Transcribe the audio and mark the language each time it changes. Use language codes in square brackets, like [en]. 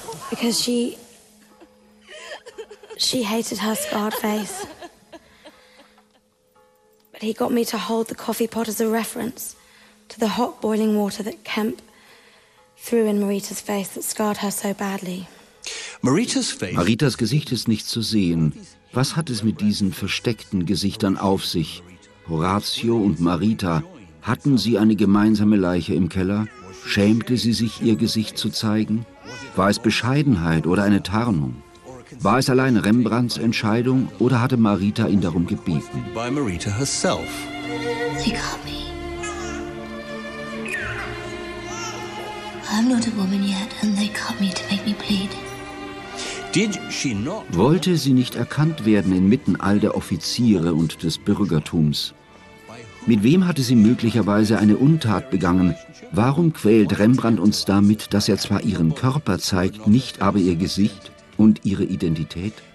[en] Because she hated her scarred face. But he got me to hold the coffee pot as a reference to the hot boiling water that Kemp threw in Marita's face that scarred her so badly. [de] Maritas Gesicht ist nicht zu sehen. Was hat es mit diesen versteckten Gesichtern auf sich? Horatio und Marita, hatten sie eine gemeinsame Leiche im Keller? Schämte sie sich, ihr Gesicht zu zeigen? War es Bescheidenheit oder eine Tarnung? War es allein Rembrandts Entscheidung oder hatte Marita ihn darum gebeten? [en] By Marita herself. Sie got me. I'm not a woman yet and they cut me to make me bleed. [de] Wollte sie nicht erkannt werden inmitten all der Offiziere und des Bürgertums? Mit wem hatte sie möglicherweise eine Untat begangen? Warum quält Rembrandt uns damit, dass er zwar ihren Körper zeigt, nicht aber ihr Gesicht und ihre Identität?